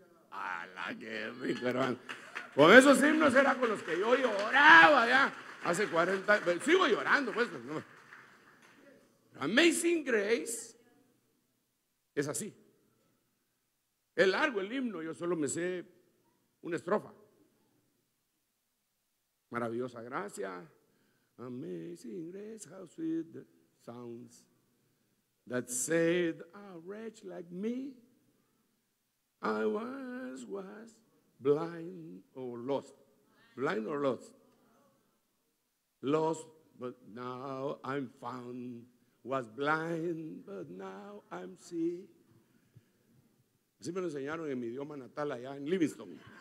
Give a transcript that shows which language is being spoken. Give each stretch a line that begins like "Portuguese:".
Spanish: ¡A la guerra, hermano! Con esos himnos era con los que yo lloraba ya hace 40 años. Sigo llorando, pues. No. Amazing Grace es así. Es largo el himno, yo solo me sé una estrofa. Maravillosa gracia,
English: Amazing Grace, how sweet the sounds that saved a wretch like me. I was blind or lost, blind or lost, lost, but now I'm found. was blind, but now I'm see.
Spanish: Así me lo enseñaron en mi idioma natal allá en Livingston.